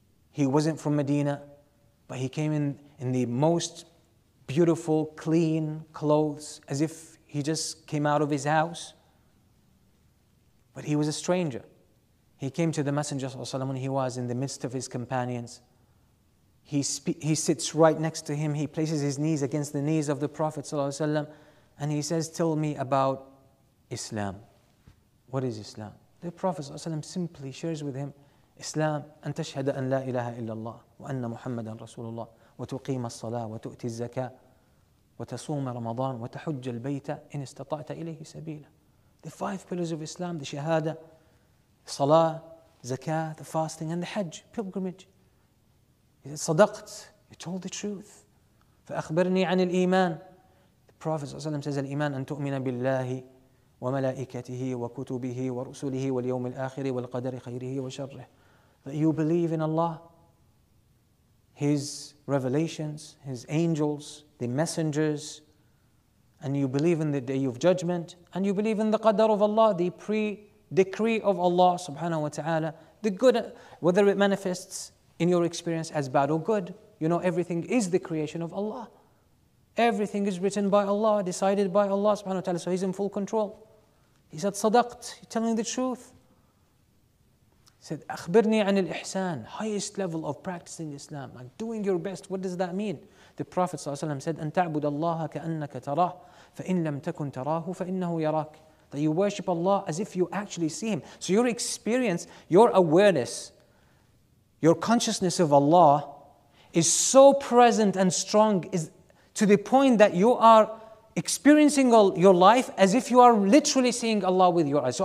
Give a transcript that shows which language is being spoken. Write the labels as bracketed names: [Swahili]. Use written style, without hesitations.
[English] He wasn't from Medina, but he came in the most beautiful, clean clothes, as if he just came out of his house. But he was a stranger. He came to the Messenger sallallahu alayhi wasallam when he was in the midst of his companions. He sits right next to him. He places his knees against the knees of the Prophet sallallahu alayhi wasallam, and he says, "Tell me about Islam. What is Islam?" The Prophet sallallahu alayhi wasallam simply shares with him, [Arabic] "Islam, أن تشهد أن لا إله إلا الله وأن محمدا رسول الله وتقيم الصلاة وتؤتي الزكاة وتصوم رمضان وتحج البيت إن استطعت إليه سبيلا." [English] The five pillars of Islam: the Shahada, Salah, Zakah, the fasting, and the Hajj, pilgrimage. He said, "Sadaqt, you told the truth." [Arabic] فَأَخْبَرْنِي عَنِ الْإِيمَانِ. [English] The Prophet ﷺ says, [Arabic] "الْإِيمَانِ أَن تُؤْمِنَ بِاللَّهِ وَمَلَائِكَتِهِ وَكُتُبِهِ وَرُسُلِهِ وَالْيَوْمِ الْآخِرِ وَالْقَدَرِ خَيْرِهِ وَشَرِّهِ." [English] That you believe in Allah, His revelations, His angels, the messengers, and you believe in the Day of Judgment, and you believe in the Qadar of Allah, the pre-decree of Allah subhanahu wa ta'ala, the good, whether it manifests in your experience as bad or good. You know, everything is the creation of Allah. Everything is written by Allah, decided by Allah subhanahu wa ta'ala, so He's in full control. He said, "Sadaqt, you're telling the truth." He said, [Arabic] "Akhbirni anil ihsan," [English] highest level of practicing Islam, like doing your best. What does that mean? The Prophet ﷺ said, [Arabic] "أن تعبد الله كأنك تراه فإن لم تكن تراه فإنه يراك." [English] That you worship Allah as if you actually see Him. So your experience, your awareness, your consciousness of Allah is so present and strong, is to the point that you are experiencing all your life as if you are literally seeing Allah with your eyes.